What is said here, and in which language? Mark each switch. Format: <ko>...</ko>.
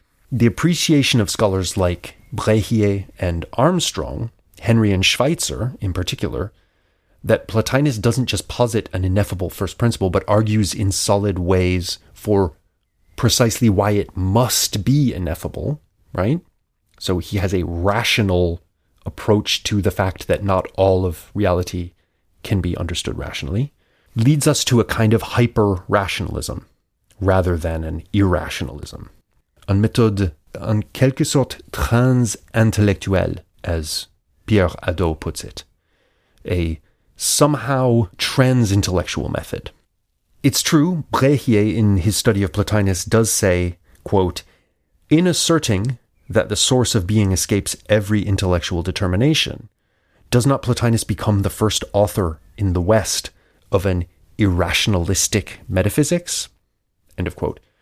<en>The appreciation of scholars like Brehier and Armstrong, Henry and Schweitzer in particular, that Plotinus doesn't just posit an ineffable first principle, but argues in solid ways for precisely why it must be ineffable, right? So he has a rational approach to the fact that not all of reality can be understood rationally, leads us to a kind of hyper-rationalism rather than an irrationalism.</en> <fr>Une méthode en quelque sorte trans-intellectuelle,</fr> <en>as Pierre Hadot puts it. A somehow trans-intellectual method. It's true, Brehier in his study of Plotinus does say, quote, "In asserting that the source of being escapes every intellectual determination, does not Plotinus become the first author in the West of an irrationalistic metaphysics?" End of quote.</en>